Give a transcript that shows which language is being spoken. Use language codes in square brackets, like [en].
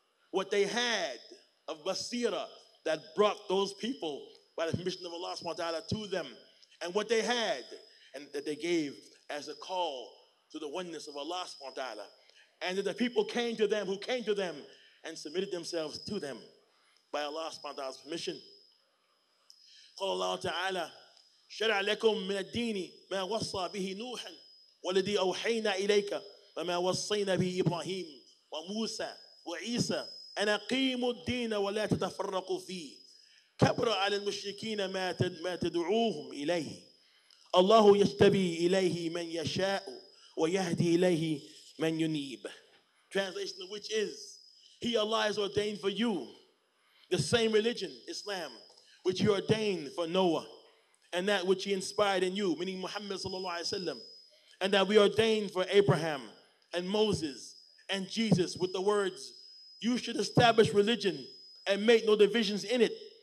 [en] What they had of basira that brought those people by the permission of Allah subhanahu wa ta'ala to them, and what they had and that they gave as a call to the oneness of Allah subhanahu wa ta'ala, and that the people came to them who came to them and submitted themselves to them by Allah subhanahu wa ta'ala's permission. [ar] قال الله تعالى شرع لكم من الدين ما وصى به نوحا والذي أوحينا إليك وما وصينا به إبراهيم وموسى وعيسى أن أقيموا الدين ولا تتفرقوا فيه كبر على المشركين ما تدعوهم إليه الله يجتبي إليه من يشاء ويهدي إليه من ينيب. [en] Translation of which is, He Allah has ordained for you the same religion, Islam, which He ordained for Noah, and that which He inspired in you, meaning Muhammad sallallahu alaihi wasallam, and that we ordained for Abraham and Moses and Jesus with the words, you should establish religion and make no divisions in it.